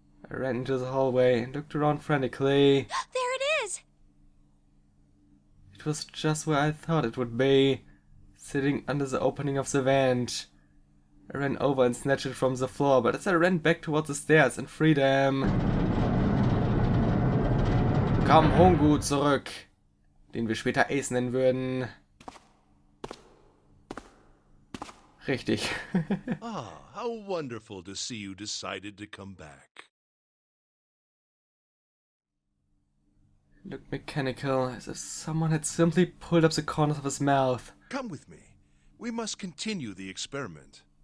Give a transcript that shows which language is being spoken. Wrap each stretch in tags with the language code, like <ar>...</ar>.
<en>I ran into the hallway and looked around frantically. There it is! It was just where I thought it would be, sitting under the opening of the vent. I ran over and snatched it from the floor, but as I ran back towards the stairs and freedom...</en> <de>kam Hongu zurück, den wir später Ace nennen würden. Richtig.</de> <en>Ah, how wonderful to see you decided to come back. Looked mechanical, as if someone had simply pulled up the corners of his mouth. Come with me. We must continue the experiment.</en>